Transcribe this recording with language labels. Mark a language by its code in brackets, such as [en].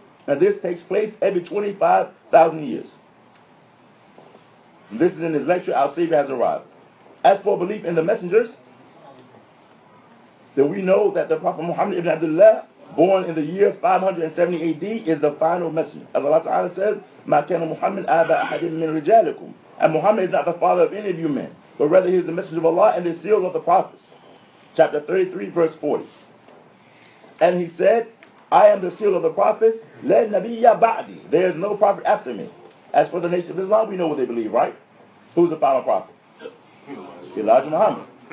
[en] And this takes place every 25,000 years. This is in his lecture, Our Savior Has Arrived. As for belief in the messengers, then we know that the Prophet Muhammad ibn Abdullah, born in the year 570 AD, is the final messenger. As Allah Ta'ala says, [ar] مَا كَانَ مُحَمَّدْ أَبَا أَحَدٍ مِّنْ رِجَالِكُمْ. [en] And Muhammad is not the father of any of you men, but rather he is the messenger of Allah and the seal of the prophets. Chapter 33, verse 40. And he said, I am the seal of the prophets. [ar] لَنْ نَبِيَّ بَعْدِي. [en] There is no prophet after me. As for the Nation of Islam, we know what they believe, right? Who's the final prophet? Elijah Muhammad.